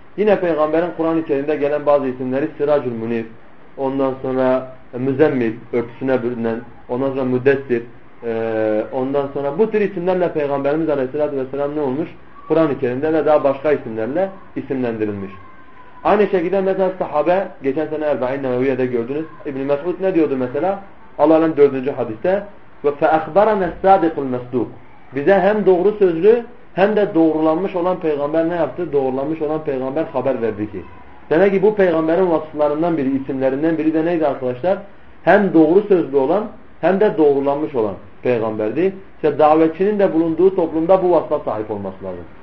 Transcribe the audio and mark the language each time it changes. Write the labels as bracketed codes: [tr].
[tr] Yine peygamberin Kur'an-ı Kerim'de gelen bazı isimleri Sirac-ül Münir, ondan sonra Müzemmil, örtüsüne bürünen, ondan sonra Müddessir, ondan sonra bu tür isimlerle peygamberimiz aleyhissalatü vesselam ne olmuş? Kur'an-ı Kerim'de ve daha başka isimlerle isimlendirilmiş. Aynı şekilde mesela sahabe, geçen sene Erba'in Nevevi'ye gördünüz. İbn-i Mesud ne diyordu mesela? Allah'ın 4. hadiste [ar] فَاَخْبَرَنَا السَّادِقُ الْمَسْدُقُ. [tr] Bize hem doğru sözlü hem de doğrulanmış olan peygamber ne yaptı? Doğrulanmış olan peygamber haber verdi ki. Demek ki bu peygamberin vasıflarından biri, isimlerinden biri de neydi arkadaşlar? Hem doğru sözlü olan hem de doğrulanmış olan peygamberdi. İşte davetçinin de bulunduğu toplumda bu vasfa sahip olması lazım.